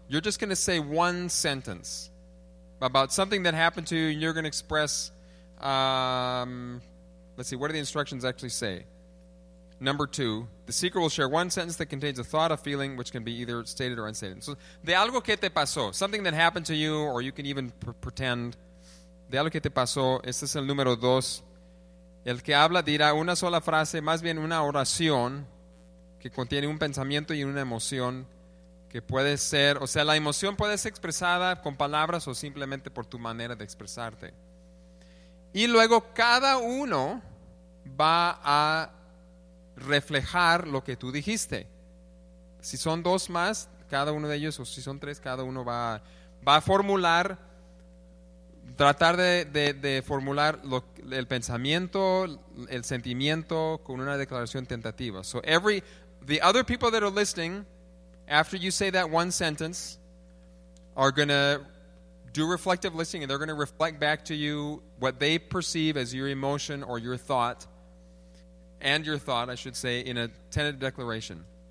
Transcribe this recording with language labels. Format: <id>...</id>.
<en>You're just going to say one sentence about something that happened to you, and you're going to express, let's see, what do the instructions actually say? Number two, the seeker will share one sentence that contains a thought, a feeling, which can be either stated or unstated. So,</en> <es>de algo que te pasó,</es> <en>something that happened to you, or you can even pretend.</en> <es>De algo que te pasó, este es el número dos. El que habla dirá una sola frase, más bien una oración, que contiene un pensamiento y una emoción, que puede ser, o sea, la emoción puede ser expresada con palabras o simplemente por tu manera de expresarte. Y luego cada uno va a reflejar lo que tú dijiste. Si son dos más, cada uno de ellos, o si son tres, cada uno va a formular, tratar de formular el pensamiento, el sentimiento con una declaración tentativa.</es> <en>So the other people that are listening, after you say that one sentence, are going to do reflective listening, and they're going to reflect back to you what they perceive as your emotion or your thought. And your thought, I should say, in a tentative declaration.</en>